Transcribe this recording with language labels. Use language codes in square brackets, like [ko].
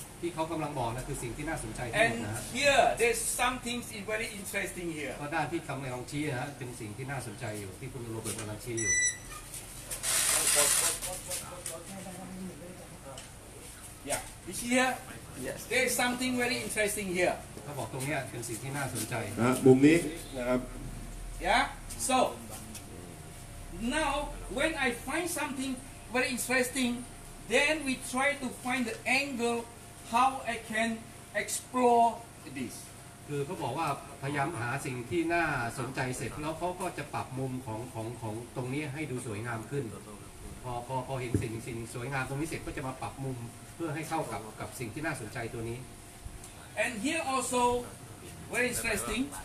[th] ที่เขากำลังบอกนะคือสิ่งที่น่าสนใจที่สุดนะ [en] And here there's some things is very interesting here. [th] ก็ด้านที่กำลังชี้นะเป็นสิ่งที่น่าสนใจอยู่ที่คุณโรเบิร์ตกำลังชี้อยู่ [en] Yeah, you see here? Yes. There's something very interesting here. [th] เขาบอกตรงนี้เป็นสิ่งที่น่าสนใจ นะมุมนี้นะครับ [en] Yeah. So now when I find something very interestingThen we try to find the angle how I can explore this [th] คือเขาบอกว่าพยายามหาสิ่งที่น่าสนใจเสร็จแล้วเขาก็จะปรับมุมของตรงนี้ให้ดูสวยงามขึ้นพอเห็นสิ่งสวยงามตรงนี้เสร็จก็จะมาปรับมุมเพื่อให้เข้ากับสิ่งที่น่าสนใจตัวนี้ [en] and here also very interesting